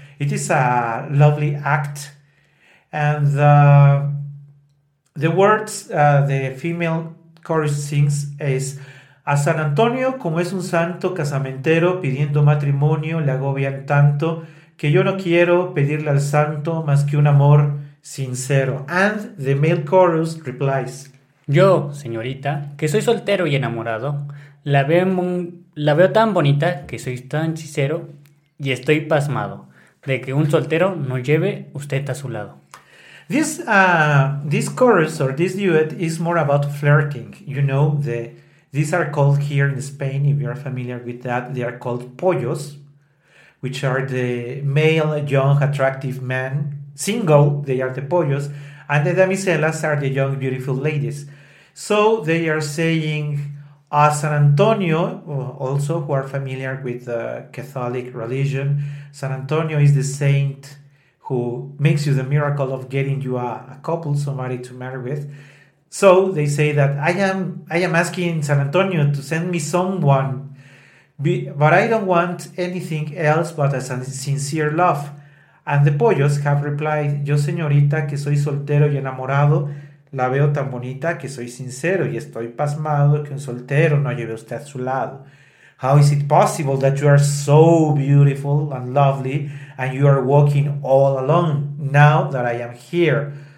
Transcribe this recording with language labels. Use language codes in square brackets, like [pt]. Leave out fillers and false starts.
[en] It is a lovely act, and the words the female chorus sings is, [es] a San Antonio como es un santo casamentero pidiendo matrimonio le agobian tanto que yo no quiero pedirle al santo más que un amor sincero. [en] And the male chorus replies, [es] yo, señorita, que soy soltero y enamorado, la veo tan bonita que soy tan sincero y estoy pasmado de que un soltero no lleve usted a su lado. [en] This this chorus or this duet is more about flirting. You know, these are called here in Spain, if you are familiar with that, they are called pollos, which are the male, young, attractive men, single, they are the pollos, and the damiselas are the young, beautiful ladies. So they are saying, San Antonio, also who are familiar with the Catholic religion, San Antonio is the saint who makes you the miracle of getting you a couple, somebody to marry with. So they say that, I am asking San Antonio to send me someone, but I don't want anything else but a sincere love. And the pollos have replied, [es] yo señorita que soy soltero y enamorado, la veo tan bonita que soy sincero y estoy pasmado que un soltero no lleve usted a su lado. [en] How is it possible that you are so beautiful and lovely and you are walking all alone now that I am here?